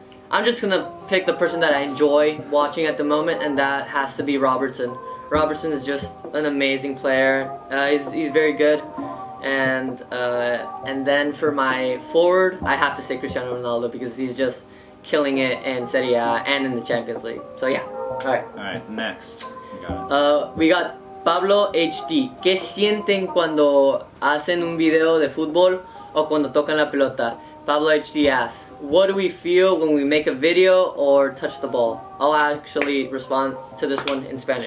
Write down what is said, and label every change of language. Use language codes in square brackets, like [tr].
[en] I'm just gonna pick the person that I enjoy watching at the moment, and that has to be Robertson. Robertson is just an amazing player. He's very good. And then for my forward, I have to say Cristiano Ronaldo because he's just killing it in Serie A and in the Champions League. So yeah, alright. Next. We got Pablo HD. [es] ¿Qué sienten cuando hacen un video de fútbol o cuando tocan la pelota? [en] Pablo HD asks, what do we feel when we make a video or touch the ball? I'll actually respond to this one in Spanish.